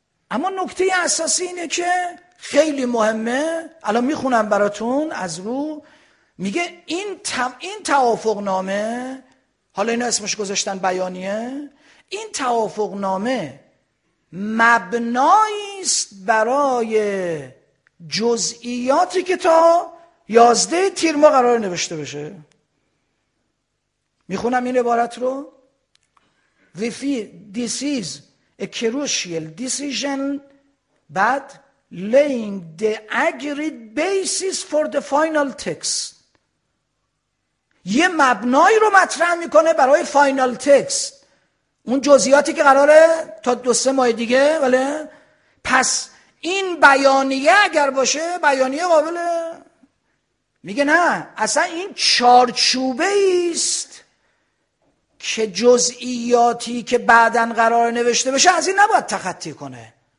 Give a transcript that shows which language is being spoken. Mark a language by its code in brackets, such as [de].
[fa] اما نکته اساسی اینه که خیلی مهمه، الان میخونم براتون از رو، میگه این توافق نامه، حالا اینا اسمش گذاشتن بیانیه، این توافق نامه مبناییست برای جزئیاتی که تا 11 تیر ما قرار نوشته بشه. میخونم این عبارت رو. [en] This is a crucial decision, but laying the agreed basis for the final text. [fa] یه مبنایی رو مطرح میکنه برای [en] final text, [fa] اون جزئیاتی که قراره تا دو سه ماه دیگه. ولی پس این بیانیه اگر باشه، بیانیه قابله، میگه نه، اصلا این چارچوبه ایست که جزئیاتی که بعدن قرار نوشته بشه از این نباید تخطی کنه.